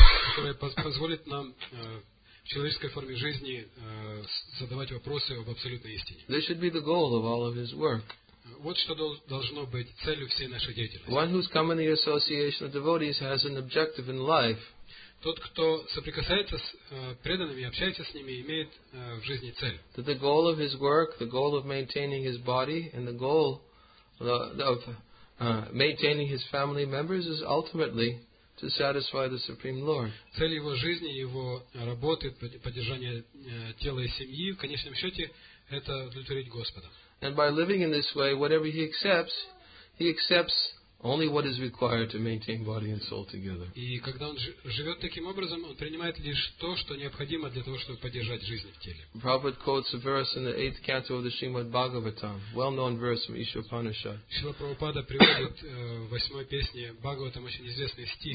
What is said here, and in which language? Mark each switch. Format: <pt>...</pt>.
<ru>Которая позволит нам в человеческой форме жизни задавать вопросы об абсолютной истине.</ru> <en>This should be the goal of all of his work.</en> <ru>Вот что должно быть целью всей нашей деятельности.</ru> <en>One who's come in the association of devotees has an objective in life.</en> <ru>Тот, кто соприкасается с преданными, общается с ними, имеет в жизни цель.</ru> <en>That the goal of his work, the goal of maintaining his body, and the goal of maintaining his family members is ultimately to satisfy the Supreme Lord.</en> <ru>Цель его жизни, его работы, поддержания тела и семьи, в конечном счете, это удовлетворить Господа.</ru> <en>And by living in this way, whatever he accepts only what is required to maintain body and soul together.</en> <ru>И когда он живет таким образом, он принимает лишь то, что необходимо для того, чтобы поддержать жизнь в теле.</ru> <en>Prabhupada quotes a verse in the 8th canto of the Srimad Bhagavatam, well-known verse from Isha Upanishad.</en> <ru>Шрила Прабхупада приводит в 8-й песне Бхагаватам очень известный стих.</ru>